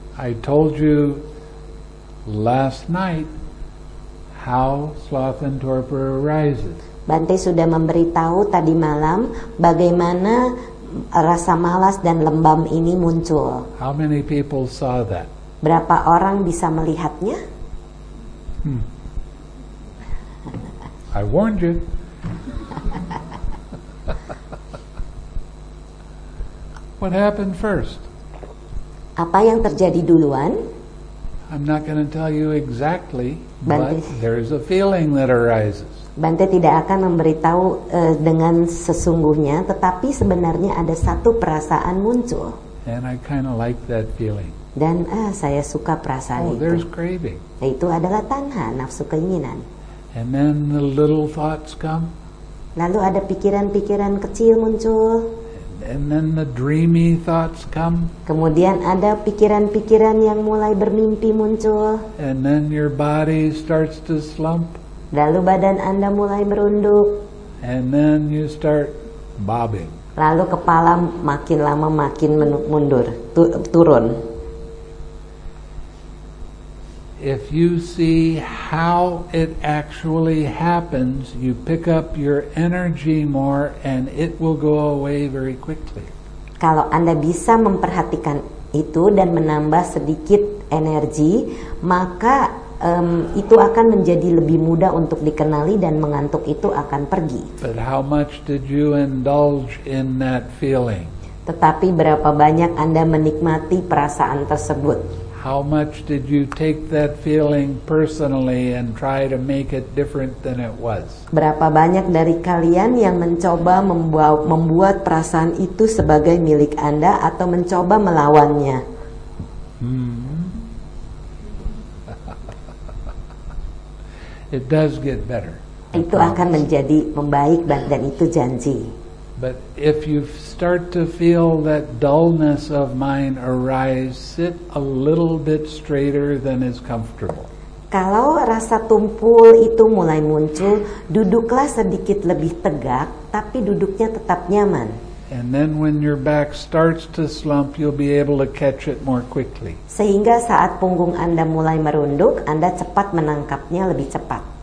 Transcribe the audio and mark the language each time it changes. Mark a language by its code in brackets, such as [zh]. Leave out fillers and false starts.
[en] I told you last night how sloth and torpor arises. [id] Bante sudah memberitahu tadi malam bagaimana rasa malas dan lembam ini muncul. [en] How many people saw that? [id] Berapa orang bisa melihatnya? [en] I warned you. What happened first? [id] Apa yang terjadi duluan? [en] I'm not going to tell you exactly, Bante, but there is a feeling that arises. [id] Bante tidak akan memberitahu dengan sesungguhnya, tetapi sebenarnya ada satu perasaan muncul. [en] And I kind of like that feeling. [id] Dan saya suka perasaan itu. [en] Oh, there's craving. [id] Itu adalah tanha, nafsu keinginan. [en] And then the little thoughts come. [id] Lalu ada pikiran-pikiran kecil muncul. [en] And then the dreamy thoughts come. [id] Kemudian ada pikiran-pikiran yang mulai bermimpi muncul. [en] And then your body starts to slump. [id] Lalu badan Anda mulai merunduk. [en] And then you start bobbing. [id] Lalu kepala makin lama makin mundur, turun. [en] If you see how it actually happens, you pick up your energy more and it will go away very quickly. [id] Kalau Anda bisa memperhatikan itu dan menambah sedikit energi, maka itu akan menjadi lebih mudah untuk dikenali dan mengantuk itu akan pergi. [en] But how much did you indulge in that feeling? [id] Tetapi berapa banyak Anda menikmati perasaan tersebut? [en] How much did you take that feeling personally and try to make it different than it was? [id] Berapa banyak dari kalian yang mencoba membuat perasaan itu sebagai milik Anda atau mencoba melawannya? [en] It does get better. [id] Itu akan menjadi membaik dan itu janji. [en] But if you start to feel that dullness of mind arise, sit a little bit straighter than is comfortable. [id] Kalau rasa tumpul itu mulai muncul, duduklah sedikit lebih tegak, tapi duduknya tetap nyaman. [en] And then when your back starts to slump, you'll be able to catch it more quickly. [id] Sehingga saat punggung Anda mulai merunduk, Anda cepat menangkapnya lebih cepat.